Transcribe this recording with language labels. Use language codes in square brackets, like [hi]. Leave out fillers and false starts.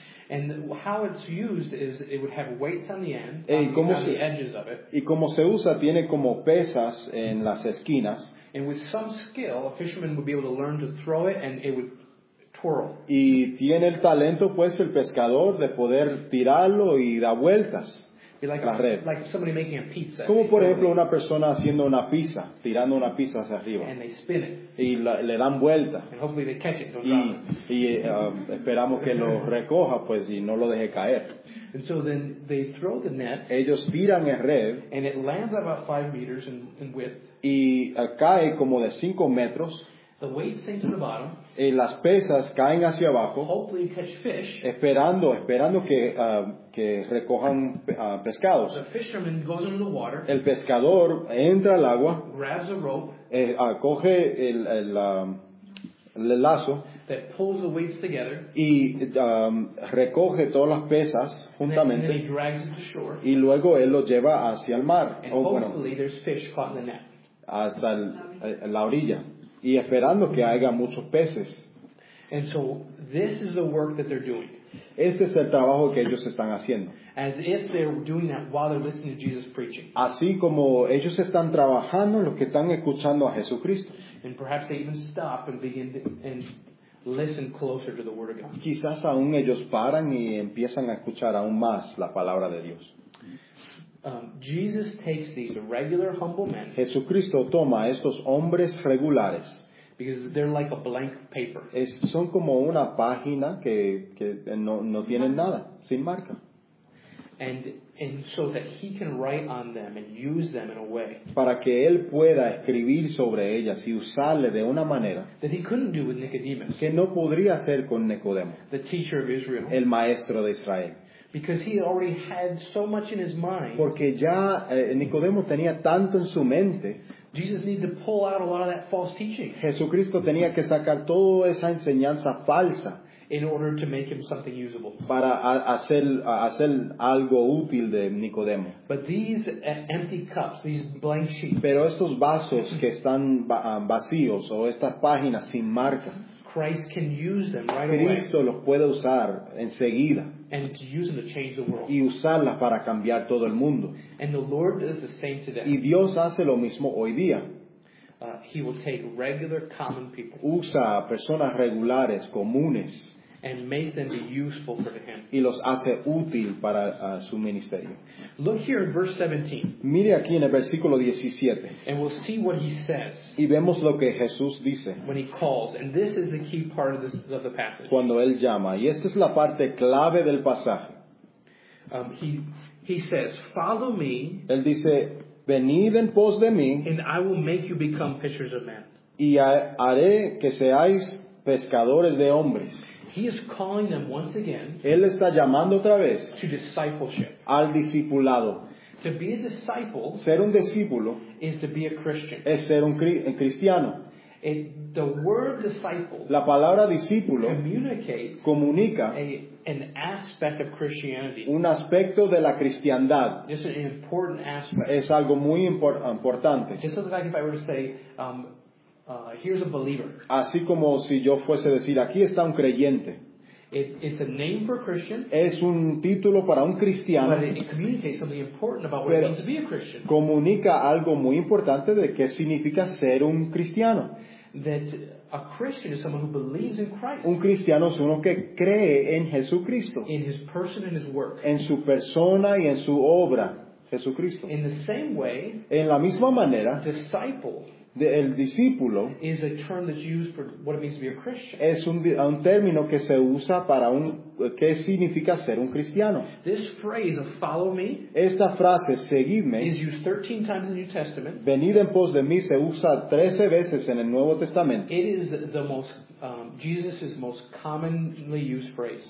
[en] And how it's used is it would have weights on the end, on the edges of it. [es] Y como se usa, tiene como pesas en las esquinas. [en] And with some skill, a fisherman would be able to learn to throw it, and it would twirl. [es] Y tiene el talento, pues, el pescador de poder tirarlo y dar vueltas [en] like [es] la red. [en] Like somebody making a pizza. [es] Como, por ejemplo, una persona haciendo una pizza, tirando una pizza hacia arriba. [en] And they spin it. [es] Y le dan vuelta. [en] And hopefully they catch it, don't drop it. [es] Y esperamos que lo recoja, pues, y no lo deje caer. [en] And so then they throw the net. [es] Ellos tiran el red. [en] And it lands about 5 meters in width. [es] Y cae como de 5 metros. [en] The weight sinks to the bottom. [es] Y las pesas caen hacia abajo. [en] Hopefully you catch fish. [es] Esperando que recojan pescados. [en] The fisherman goes into the water. [es] El pescador entra al agua. [en] Grabs a rope. [es] Coge el lazo. [en] That pulls the weights together. [es] Y recoge todas las pesas juntamente. [en] And then he drags it to shore. [es] Y luego él lo lleva hacia el mar. [en] And hopefully there's fish caught in the net. [es] Hasta la orilla. Y esperando que haya muchos peces. [en] And so, this is the work that they're doing. [es] Este es el trabajo que ellos están haciendo. [en] As if they're doing that while they're listening to Jesus preaching. [es] Así como ellos están trabajando lo que están escuchando a Jesucristo. [en] And perhaps they even stop and begin to, and listen closer to the Word of God. [es] Quizás aún ellos paran y empiezan a escuchar aún más la palabra de Dios. [en] Jesus takes these regular humble men. [es] Jesucristo toma estos hombres regulares. [en] Because they're like a blank paper. [es] Son como una página que no tienen nada, sin marca. [en] And so that he can write on them and use them in a way. [es] Para que él pueda escribir sobre ellas y usarle de una manera. [en] That he couldn't do with Nicodemus. [es] Que no podría hacer con Nicodemo. [en] The teacher of Israel. [es] El maestro de Israel. [en] Because he already had so much in his mind. [es] Porque ya Nicodemo tenía tanto en su mente. [en] Jesus needed to pull out a lot of that false teaching. [es] Jesucristo tenía que sacar toda esa enseñanza falsa. [en] In order to make him something usable. [es] Para hacer algo útil de Nicodemo. [en] But these empty cups, these blank sheets. [es] Pero estos vasos que están vacíos o estas páginas sin marca. [en] Christ can use them right [es] Cristo [en] away. [es] Cristo los puede usar enseguida. [en] And to use them to change the world. [es] Y usarla para cambiar todo el mundo. [en] And the Lord does the same today. [es] Y Dios hace lo mismo hoy día. [en] He will take regular common people. [es] Usa a personas regulares, comunes. [en] And make them be useful for him. [es] Y los hace útil para su ministerio. [en] Look here in verse 17. [es] Mire aquí en el versículo 17. [en] And we'll see what he says. [es] Y vemos lo que Jesús dice. [en] When he calls. And this is the key part of, this, of the passage. [es] Cuando él llama. Y esta es la parte clave del pasaje. [en] He says, follow me. [es] Él dice, venid en pos de mí. [en] And I will make you become fishers of men. [es] Y haré que seáis pescadores de hombres. [en] He is calling them once again. [es] Él está llamando otra vez. [en] To discipleship. [es] Al discipulado. [en] To be a disciple. [es] Ser un discípulo. [en] Is to be a Christian. [es] Es ser un cristiano. [en] And the word disciple. [es] La palabra discípulo. [en] Communicates. [es] Comunica. [en] An aspect of Christianity. [es] Un aspecto de la cristiandad. [en] It's an important aspect. [es] Es algo muy importante. [en] Just as if I were to say. Here's a believer. [es] Así como si yo fuese a decir, aquí está un creyente. [en] It's a name for a Christian. [es] Es un título para un cristiano. [en] But it communicates something important about what it means to be a Christian. [es] Comunica algo muy importante de qué significa ser un cristiano. [en] That a Christian is someone who believes in Christ. [es] Un cristiano es uno que cree en Jesucristo. [en] In his person and his work. [es] En su persona y en su obra, Jesucristo. [en] In the same way, [es] en la misma manera, [en] disciple. [es] El discípulo [en] is a term that's used for what it means to be a Christian. [es] Es un término que se usa para un qué significa ser un cristiano. [en] This phrase of follow me, [es] esta frase seguidme, [en] is used 13 times in the New Testament. [es] Venid en pos de mí se usa 13 veces en el Nuevo Testamento. [en] It is the most Jesus' most commonly used phrase.